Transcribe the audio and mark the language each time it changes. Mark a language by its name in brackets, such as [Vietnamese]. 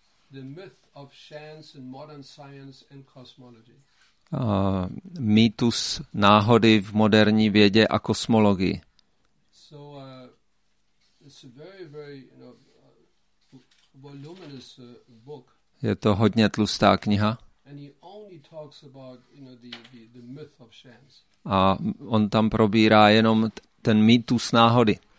[English] The myth of chance in modern science and cosmology. [Czech] Mýtus náhody v moderní vědě a kosmologii. [English] So it's a very you know, voluminous book. [Czech] Je to hodně tlustá kniha. [English] And he only talks about, you know, the myth of chance. [Czech] A on tam probírá jenom ten mýtus náhody.